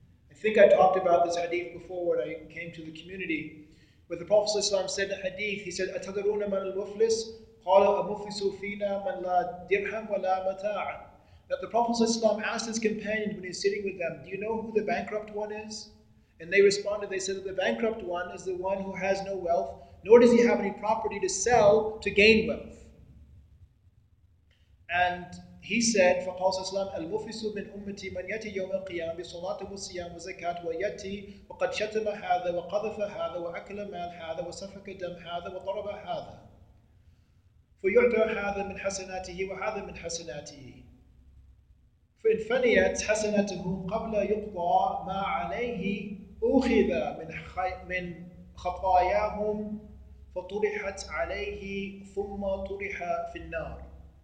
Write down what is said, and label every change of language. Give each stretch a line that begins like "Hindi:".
English: I think I talked about this hadith before when I came to the community. But the Prophet ﷺ said the hadith, he said,
Arabic: أَتَدَرُونَ مَنَ الْمُفْلِسِ قَالَ أَمُفْلِسُ فِينَا مَنْ لَا دِرْهَمْ وَلَا مَتَاعًا.
English: That the Prophet ﷺ asked his companions when he's sitting with them, do you know who the bankrupt one is? And they responded, they said that the bankrupt one is the one who has no wealth, nor does he have any property to sell to gain wealth. And he said, for Prophet ﷺ,
Arabic: الْمُفْلِسُ مِنْ أُمَّتِي مَنْ يَتِي يَوْمَ الْقِيَامِ بِصَلَاتِ وَصِيَامِ وَزَكَاتِ وَيَتِي وَقَدْ شَتَمَ هَذَا وَقَذَفَ هَذَا وَأَكَلَ مَالَ هَذَا وَسَفَكَ دَمَ هَذَا وَضَرَبَ هَذَا فَيُعْطَى هَذَا مِنْ حَسَنَاتِهِ وَهَذَا مِنْ حَسَنَاتِهِ فَإِنْ فَنِيَتْ حَسَنَتُهُ قَبْلَ يُقْضَى مَا عَلَيْهِ أُخِذَ مِنْ خَطَايَاهُمْ فَطُرِحَتْ عَلَيْهِ ثُمَّ طُرِحَ فِي النَّارِ.